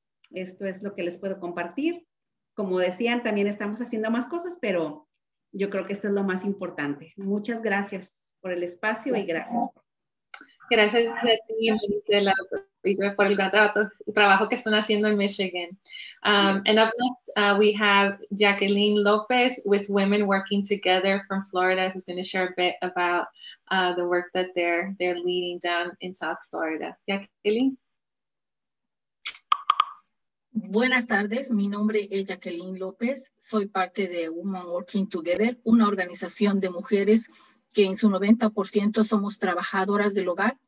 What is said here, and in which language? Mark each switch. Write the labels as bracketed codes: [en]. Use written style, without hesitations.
[es] Esto es lo que les puedo compartir. Como decían, también estamos haciendo más cosas, pero yo creo que esto es lo más importante. Muchas gracias por el espacio y gracias. Gracias a ti, Marisela, por el gran trabajo que están haciendo en Michigan. [en] And up next, we have Jacqueline Lopez with Women Working Together from Florida, who's going to share a bit about the work that they're leading down in South Florida. Jacqueline? [es] Buenas tardes, mi nombre es Jacqueline López, soy parte de Women Working Together, una organización de mujeres que en su 90% somos trabajadoras del hogar.